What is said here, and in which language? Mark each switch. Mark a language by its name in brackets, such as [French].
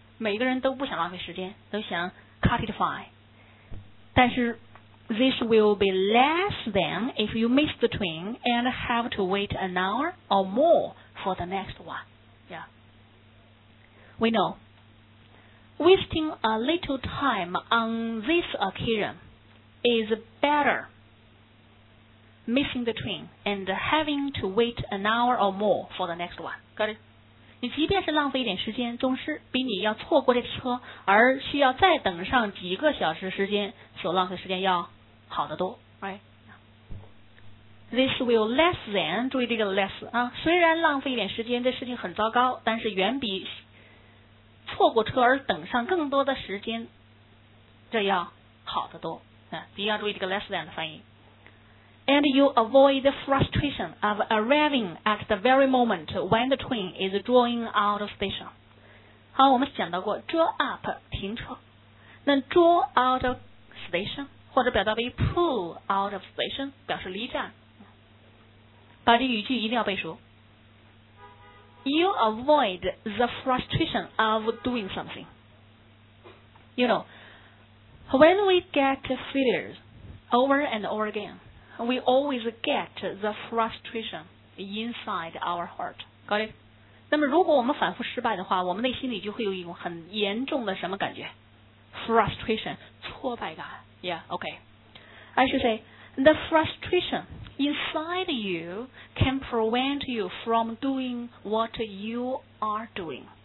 [English] 每个人都不想浪费时间，都想 cut it fine，但是 this will be less than if you miss the train and have to wait an hour or moreFor the next one. Yeah. We know wasting a little time on this occasion is better missing the train and having to wait an hour or more for the next one. Got it? [Chinese] 你即便是浪费一点时间，总是比你要错过这车而需要再等上几个小时时间所浪费时间要好得多。 Right? This will less than，注意这个 less 啊，虽然浪费一点时间，这事情很糟糕，但是远比错过车而等上更多的时间，这要好得多。你要注意这个 less than 的翻译。 [English] And you avoid the frustration of arriving at the very moment when the train is drawing out of station。 [Chinese] 好，我们讲到过 draw up 停车，那 draw out of station 或者表达为 pull out of station 表示离站。 [English] 把这语句一定要背熟。 You avoid the frustration of doing something. You know, when we get failures over and over again, we always get the frustration inside our heart. Got it? [Chinese] 那么如果我们反复失败的话，我们内心里就会有一种很严重的什么感觉？ [English] Frustration, 挫败感。 Yeah, okay. I should say, the frustrationinside you can prevent you from doing what you are doing.